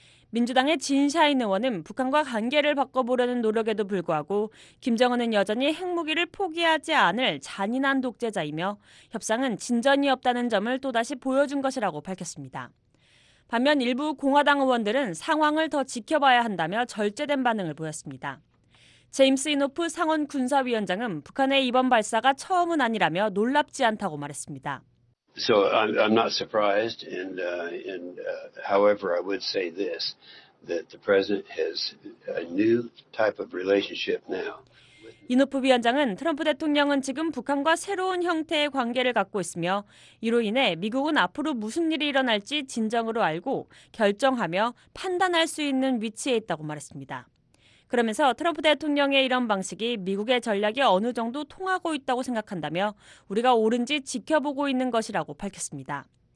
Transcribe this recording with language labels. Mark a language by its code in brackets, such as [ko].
[ko] 민주당의 진샤인 의원은 북한과 관계를 바꿔보려는 노력에도 불구하고 김정은은 여전히 핵무기를 포기하지 않을 잔인한 독재자이며 협상은 진전이 없다는 점을 또다시 보여준 것이라고 밝혔습니다. 반면 일부 공화당 의원들은 상황을 더 지켜봐야 한다며 절제된 반응을 보였습니다. 제임스 이노프 상원 군사위원장은 북한의 이번 발사가 처음은 아니라며 놀랍지 않다고 말했습니다. [en] So I'm not surprised, however, I would say this, that the president has a new type of relationship now. [ko] 이노프 위원장은 트럼프 대통령은 지금 북한과 새로운 형태의 관계를 갖고 있으며 이로 인해 미국은 앞으로 무슨 일이 일어날지 진정으로 알고 결정하며 판단할 수 있는 위치에 있다고 말했습니다. 그러면서 트럼프 대통령의 이런 방식이 미국의 전략이 어느 정도 통하고 있다고 생각한다며 우리가 옳은지 지켜보고 있는 것이라고 밝혔습니다.